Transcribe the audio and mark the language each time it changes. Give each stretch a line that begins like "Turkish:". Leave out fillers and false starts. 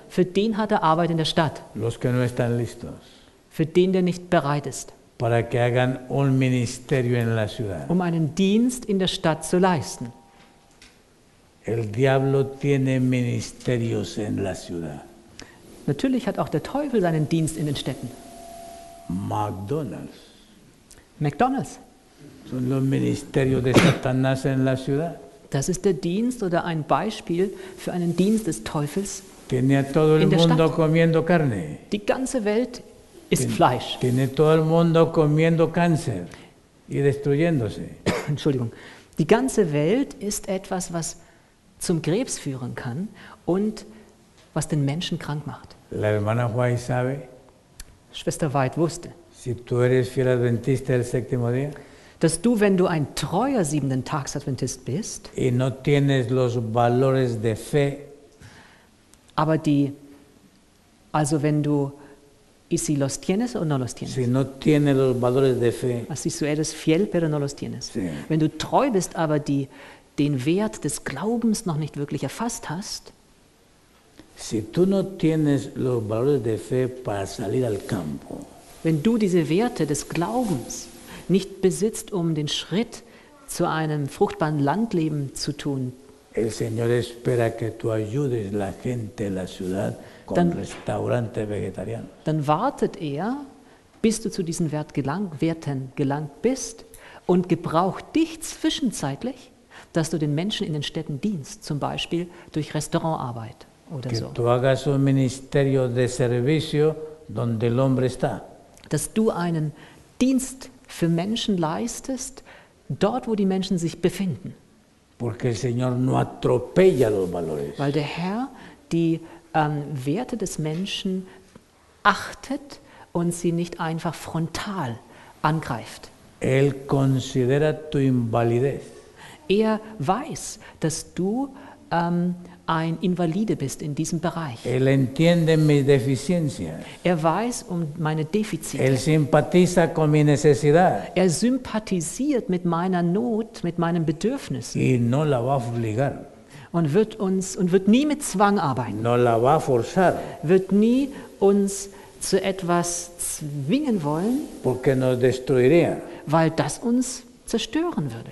German: Für den hat er Arbeit in der Stadt.
Spanish: Los que no están listos,
German: für den, der nicht bereit ist,
Spanish: para que hagan un ministerio en la ciudad.
German: Um einen Dienst in der Stadt zu leisten.
Spanish: El diablo tiene ministerios en la ciudad.
German: Natürlich hat auch der Teufel seinen Dienst in den Städten. McDonald's. McDonald's.
Spanish: Son los ministerios de Satanás en la ciudad.
German: Das ist der Dienst oder ein Beispiel für einen Dienst des Teufels.
Spanish: Tiene a todo el mundo comiendo carne.
German: Die ganze Welt ist Fleisch.
Spanish: Tiene todo el mundo comiendo cáncer y destruyéndose.
German: Entschuldigung. Die ganze Welt ist etwas, was zum Krebs führen kann und was den Menschen krank macht.
Spanish: La hermana White sabe,
German: Schwester White wusste,
Spanish: si tú eres fiel adventista del séptimo día,
German: dass du, wenn du ein treuer Siebenten-Tags-Adventist bist,
Spanish: y no tienes los valores de fe,
German: aber die, also wenn du,
Spanish: y si los tienes o no los tienes, si no tienes los valores de fe, así si eres fiel pero no los tienes, sí.
German: Wenn du treu bist, aber die, den Wert des Glaubens noch nicht wirklich erfasst hast,
Spanish: si tú no tienes los valores de fe para salir al campo,
German: wenn du diese Werte des Glaubens nicht besitzt, um den Schritt zu einem fruchtbaren Landleben zu tun,
Spanish: el Señor espera que tú ayudes la gente la ciudad con dann, restaurante vegetariano.
German: Dann wartet er, bis du zu diesen Werten gelangt bist und gebraucht dich zwischenzeitlich, dass du den Menschen in den Städten dienst, zum Beispiel durch Restaurantarbeit.
Spanish: Que tú hagas un ministerio de servicio donde el hombre está.
German: Dass du einen Dienst für Menschen leistest, dort, wo die Menschen sich befinden.
Spanish: Porque el Señor no atropella los valores.
German: Weil der Herr die Werte des Menschen achtet und sie nicht einfach frontal angreift.
Spanish: Él considera tu invalidez.
German: Er weiß, dass du ein Invalide bist in diesem Bereich.
Spanish: Él entiende mis deficiencias.
German: Er weiß um meine Defizite.
Spanish: Él simpatiza con mi necesidad.
German: Er sympathisiert mit meiner Not, mit meinen Bedürfnissen.
Spanish: Y no la va a obligar.
German: Und wird uns und wird nie mit Zwang arbeiten.
Spanish: No la va a forzar.
German: Wird nie uns zu etwas zwingen wollen.
Spanish: Porque nos destruiría.
German: Weil das uns zerstören würde.